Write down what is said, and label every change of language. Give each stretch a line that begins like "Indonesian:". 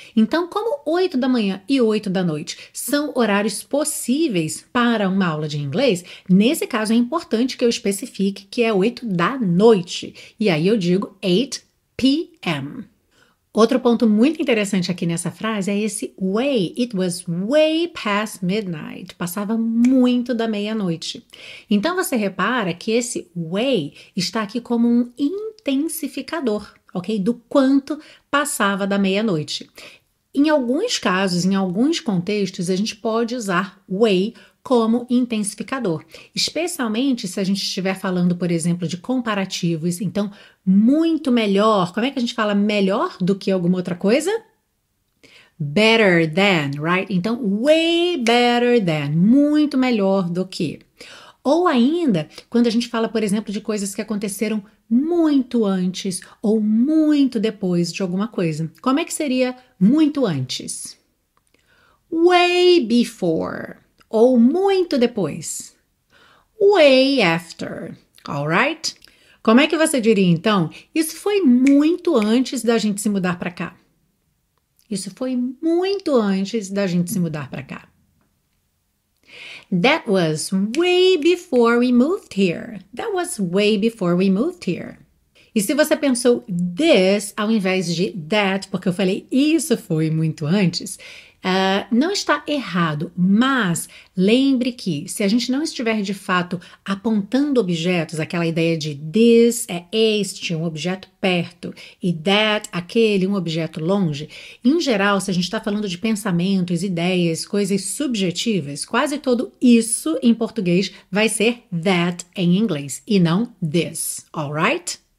Portuguese: Então, como 8 da manhã e 8 da noite são horários possíveis para uma aula de inglês, nesse caso é importante que eu especifique que é 8 da noite. E aí eu digo 8 p.m. Outro ponto muito interessante aqui nessa frase é esse way.
English: It was way past midnight.
Portuguese: Passava muito da meia-noite. Então você repara que esse way está aqui como um intensificador, ok? Do quanto passava da meia-noite. Em alguns casos, em alguns contextos, a gente pode usar way como intensificador, especialmente se a gente estiver falando, por exemplo, de comparativos. Então, muito melhor. Como é que a gente fala melhor do que alguma outra coisa?
English: Better than, right?
Portuguese: Então,
English: way better than,
Portuguese: muito melhor do que. Ou ainda, quando a gente fala, por exemplo, de coisas que aconteceram muito antes ou muito depois de alguma coisa. Como é que seria muito antes?
English: Way before.
Portuguese: Ou muito depois.
English: Way after. All right?
Portuguese: Como é que você diria então? Isso foi muito antes da gente se mudar para cá. Isso foi muito antes da gente se mudar para cá.
English: That was way before we moved here. That was way before we moved here.
Portuguese: E se você pensou this ao invés de that, porque eu falei isso foi muito antes. Não está errado, mas lembre que se a gente não estiver de fato apontando objetos, aquela ideia de this é este, um objeto perto, e that, aquele, um objeto longe, em geral, se a gente está falando de pensamentos, ideias, coisas subjetivas, quase todo isso em português vai ser that em inglês e não this,
English: alright?